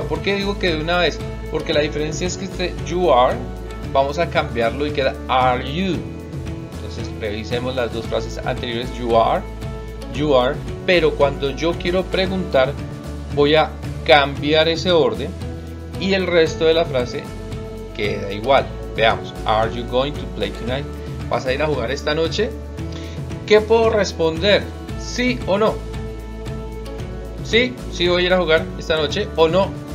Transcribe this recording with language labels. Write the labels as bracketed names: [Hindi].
[Spanish] ¿Por qué digo que de una vez? Porque la diferencia es que este [English] you are, [Spanish] vamos a cambiarlo y queda [English] are you. [Spanish] Entonces revisemos las dos frases anteriores. [English] You are, [Spanish] pero cuando yo quiero preguntar, voy a cambiar ese orden. Y el resto de la frase queda igual. Veamos, [English] are you going to play tonight? [Spanish] ¿Vas a ir a jugar esta noche? ¿Qué puedo responder? ¿Sí o no? ¿Sí? ¿Sí voy a ir a jugar esta noche o no?